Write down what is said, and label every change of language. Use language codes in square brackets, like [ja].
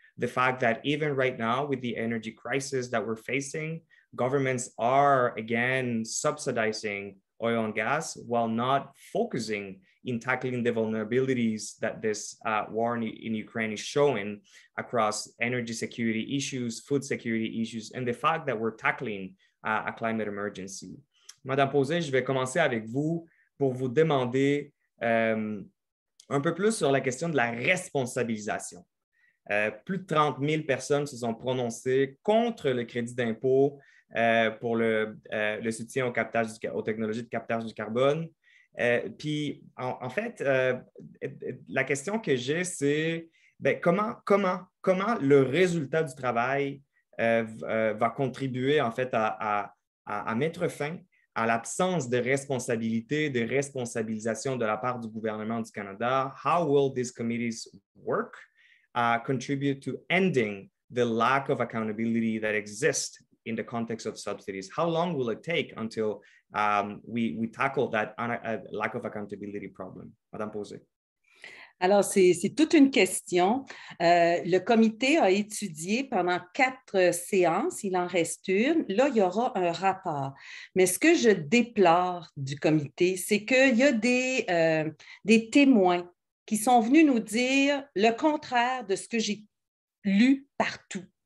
[en] The fact that even right now with the energy crisis that we're facing, governments are again subsidizing oil and gas while not focusing in tackling the vulnerabilities that this war in Ukraine is showing across energy security issues, food security issues, and the fact that we're tackling a climate emergency. [fr] Madame Pauzé, je vais commencer avec vous pour vous demander un peu plus sur la question de la responsabilisation. Plus de 30 000 personnes se sont prononcées contre le crédit d'impôt pour le soutien au captage aux technologies de captage du carbone. La question que j'ai, c'est ben, comment le résultat du travail va contribuer en fait à mettre fin à l'absence de responsabilité, de responsabilisation de la part du gouvernement du Canada? [en] How will these committees work? Contribute to ending the lack of accountability that exists in the context of subsidies? How long will it take until we tackle that lack of accountability problem? [fr] Madame Pauzé. Alors, c'est toute une question. Le comité a étudié pendant 4 séances, il en reste une. Là, il y aura un rapport. Mais ce que je déplore du comité, c'est qu'il y a des témoins qui sont venus nous dire le contraire de ce que j'ai lu partout.